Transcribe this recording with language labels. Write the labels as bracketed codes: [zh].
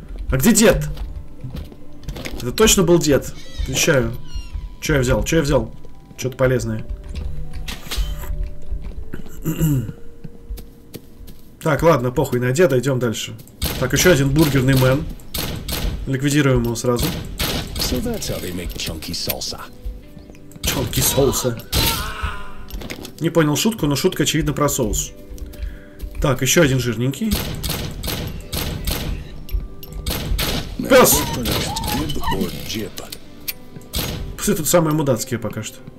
[ru] А где дед? Это точно был дед? Отвечаю. Че я взял? Че я взял? Что-то полезное. Так, ладно, похуй на деда, идем дальше. Так, еще один бургерный мэн. Ликвидируем его сразу. [en] So that's how they make chunky salsa. Chunky salsa. [ru] Не понял шутку, но шутка очевидно про соус. Так, еще один жирненький. Пес! будет. Пусть это самые мудацкие пока что.